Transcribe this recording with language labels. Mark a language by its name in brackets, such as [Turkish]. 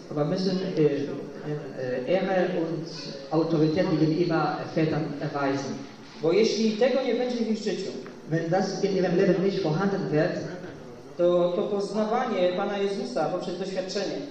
[German] Aber müssen Ehre und Autorität gegenüber Vätern erweisen. [Polish] Bo jeśli tego nie będzie w ich życiu, [German] wenn das in ihrem Leben nicht vorhanden wird, [Polish] to poznawanie Pana Jezusa poprzez doświadczenie,